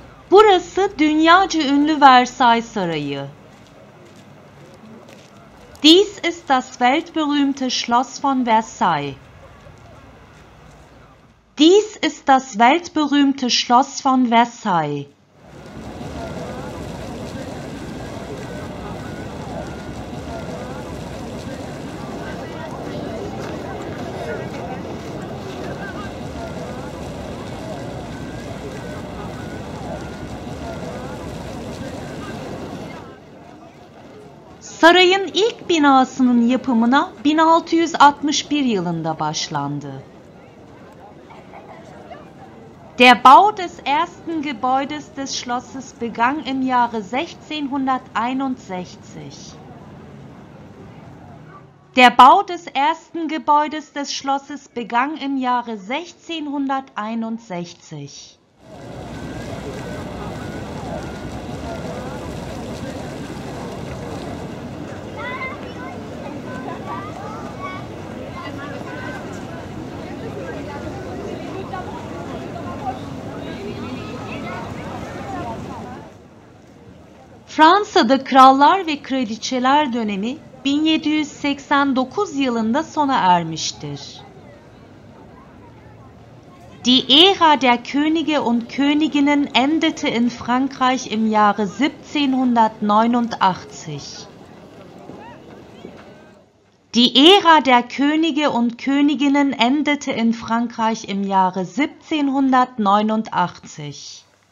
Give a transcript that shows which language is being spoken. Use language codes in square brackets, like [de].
[tr] Burası dünyaca ünlü Versailles Sarayı. [de] Dies ist das weltberühmte Schloss von Versailles. Dies ist das weltberühmte Schloss von Versailles. [tr] Sarayın ilk binasının yapımına 1661 yılında başlandı. [de] Der Bau des ersten Gebäudes des Schlosses begann im Jahre 1661. Der Bau des ersten Gebäudes des Schlosses begann im Jahre 1661. [tr] Fransa'da krallar ve kraliçeler dönemi 1789 yılında sona ermiştir. [de] Die Ära der Könige und Königinnen endete in Frankreich im Jahre 1789. Die Ära der Könige und Königinnen endete in Frankreich im Jahre 1789.